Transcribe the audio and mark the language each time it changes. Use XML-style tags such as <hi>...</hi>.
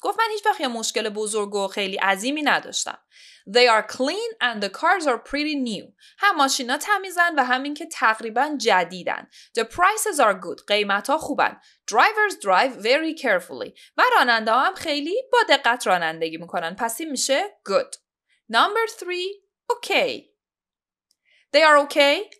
<fa>گفت من هیچ وقت یه مشکل بزرگ و خیلی عظیمی نداشتم.</fa> <en>They are clean and the cars are pretty new.</en> <fa>هم ماشینا تمیزن و همین که تقریبا جدیدن.</fa> <en>The prices are good.</en> <fa>قیمتا خوبن.</fa> <en>Drivers drive very carefully.</en> <fa>و راننده هم خیلی با دقت رانندگی میکنن. پس این میشه</fa> <en>good. Number 3, okay. They are okay.</en>